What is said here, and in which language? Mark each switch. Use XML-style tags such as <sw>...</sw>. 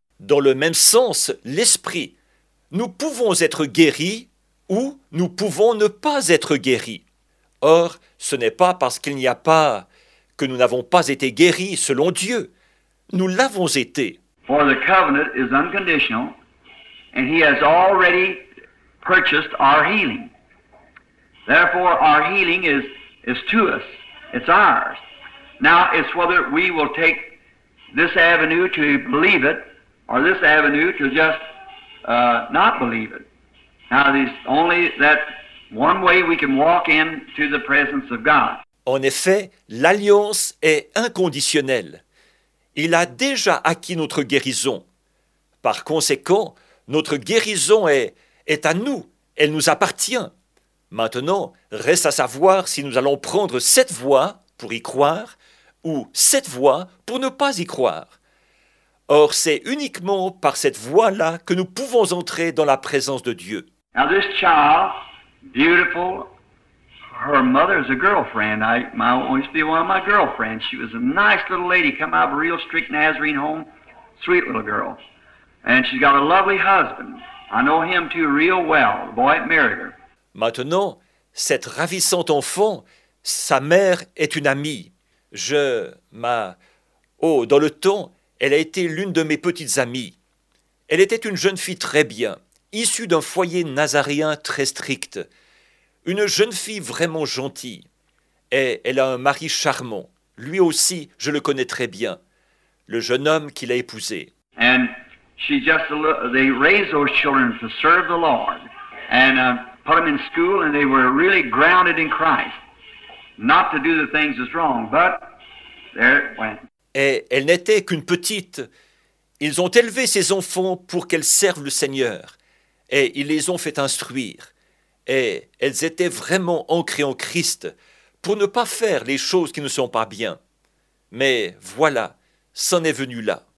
<fr>Dans le même sens, l'esprit, nous pouvons être guéris ou nous pouvons ne pas être guéris. Or, ce n'est pas parce qu'il n'y a pas, que nous n'avons pas été guéris selon Dieu. Nous l'avons été.</fr> <en>For the covenant is unconditional, and he has already purchased our healing. Therefore, our healing is It's to us. It's ours. Now, it's whether we will take this avenue to believe it or this avenue to just not believe it. Now, there's only that one way we can walk into the presence of God.</en> <fr>En effet, l'alliance est inconditionnelle. Il a déjà acquis notre guérison. Par conséquent, notre guérison est à nous. Elle nous appartient. Maintenant, reste à savoir si nous allons prendre cette voie pour y croire ou cette voie pour ne pas y croire. Or, c'est uniquement par cette voie-là que nous pouvons entrer dans la présence de Dieu.</fr> <en>Now, this child, beautiful, her mother is a girlfriend. Used to be one of my girlfriends. She was a nice little lady, come out of a real strict Nazarene home, sweet little girl. And she's got a lovely husband. I know him too real well, the boy that married her.</en> <fr>Maintenant, cette ravissante enfant, sa mère est une amie. Dans le temps, elle a été l'une de mes petites amies. Elle était une jeune fille très bien, issue d'un foyer nazaréen très strict. Une jeune fille vraiment gentille. Et elle a un mari charmant. Lui aussi, je le connais très bien. Le jeune homme qui l'a épousé.</fr> <en>And she just, they raised those children to serve the Lord. And put them in school and they were really grounded in Christ. Not to do the things that's wrong, but there it went.</en> <fr>Et elle n'était qu'une petite. Ils ont élevé ses enfants pour qu'elles servent le Seigneur. Et ils les ont fait instruire. Et elles étaient vraiment ancrées en Christ pour ne pas faire les choses qui ne sont pas bien. Mais voilà, c'en est venu là.</fr>